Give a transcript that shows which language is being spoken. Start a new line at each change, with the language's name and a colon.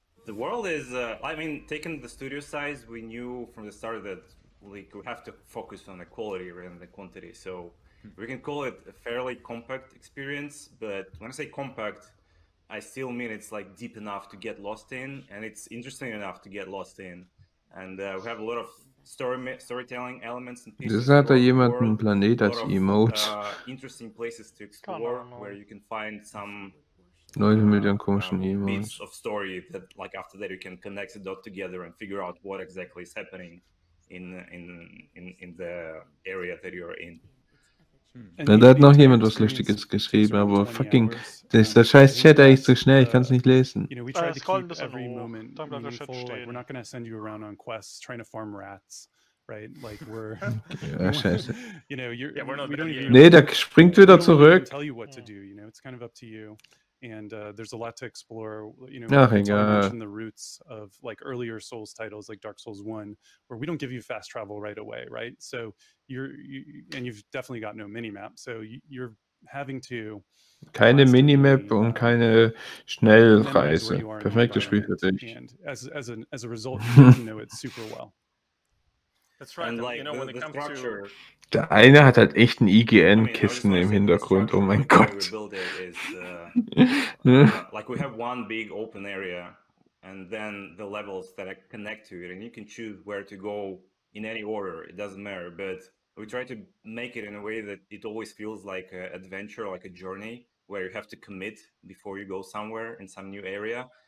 English: The world is, I mean, taking the studio size, we knew from the start that we have to focus on the quality rather than the quantity. So we can call it a fairly compact experience. But when I say compact, I still mean it's like deep enough to get lost in, and it's interesting enough to get lost in. And we have a lot of storytelling elements and pieces.
German: Das hat da jemand einen Planet als Emote.
English: Interesting places to explore where you can find some.
German: 9 Millionen komischen Emotes.
English: Bits of story that, like after that, you can connect the dot together and figure out what exactly is happening in the area that you're in.
German: Ja, da hat noch jemand was Lustiges geschrieben, aber fucking, der scheiß Chat ist eigentlich zu schnell, ich kann es nicht lesen. Es kommt ein bisschen hoch,
English: we're not gonna send you around on quests, trying to farm rats. Right, like we're,
German: ja, scheiße.
English: You know, you're, yeah, we're not, we don't
German: even, nee, der springt wieder zurück.
English: Tell you what to do, you know, it's kind of up to you. And there's a lot to explore, you know, mentioned the roots of like earlier Souls titles like Dark Souls 1, where we don't give you fast travel right away, right? So you've definitely got no minimap, so you're having to...
German: Keine Minimap und keine Schnellreise. Perfektes Spiel für dich.
English: And as a result, you know it super well. That's right, and like, you know, when it comes to...
German: Der eine hat halt echt ein IGN-Kissen im Hintergrund, oh mein Gott.
English: Like we have one big open area and then the levels that I connect to it and you can choose where to go in any order, it doesn't matter, but we try to make it in a way that it always feels like an adventure, like a journey where you have to commit before you go somewhere in some new area.